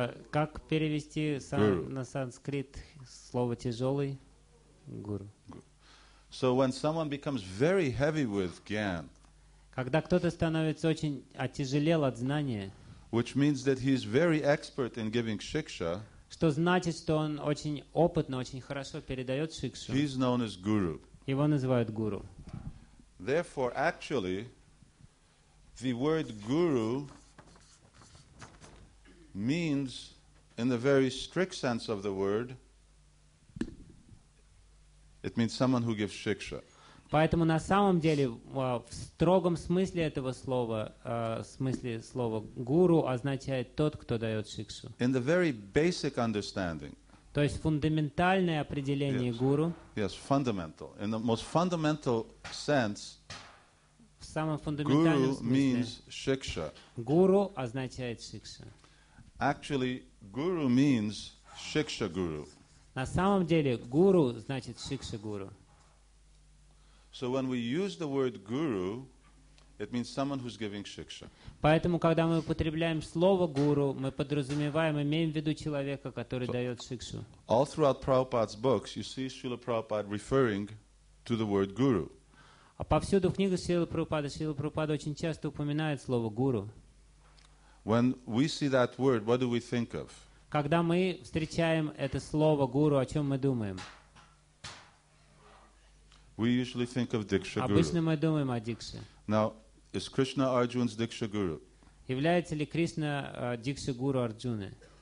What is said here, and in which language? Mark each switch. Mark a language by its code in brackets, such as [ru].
[ru] Как перевести на санскрит слово тяжелый? Гуру. [en] So when someone becomes very heavy with gyan, [ru] когда кто-то становится очень отяжелел от знания, [en] which means that he is very expert in giving shiksha, [ru] что значит, что он очень опытно, очень хорошо передает шикшу. [en] He's known as guru. [ru] Его называют гуру. [en] Therefore, actually, the word guru means, in the very strict sense of the word, it means someone who gives shiksha. [ru] Поэтому на самом деле в строгом смысле этого слова, смысле слова гуру означает тот, кто дает шикшу. [en] In the very basic understanding. [ru] То есть фундаментальное определение гуру. [en] Yes, fundamental. In the most fundamental sense. [ru] В самом фундаментальном guru смысле. [en] Guru means шикша. [ru] Гуру означает шикша. [en] Actually, guru means шикша гуру. [ru] На самом деле гуру значит шикша гуру. [en] So when we use the word guru, it means someone who's giving shiksha. [ru] Поэтому, когда мы употребляем слово гуру, мы подразумеваем, имеем в виду человека, который дает шикшу. [en] All throughout Prabhupada's books, you see Srila Prabhupada referring to the word guru. [ru] А повсюду в книгах Srila Prabhupada очень часто упоминает слово гуру. [en] When we see that word, what do we think of? [ru] Когда мы встречаем это слово гуру, о чем мы думаем? [en] We usually think of Diksha Guru. [ru] Обычно мы думаем о Дикше. [en] Now, is Krishna Arjuna's Diksha Guru? [ru] Является ли Кришна Дикша Гуру Арджуны?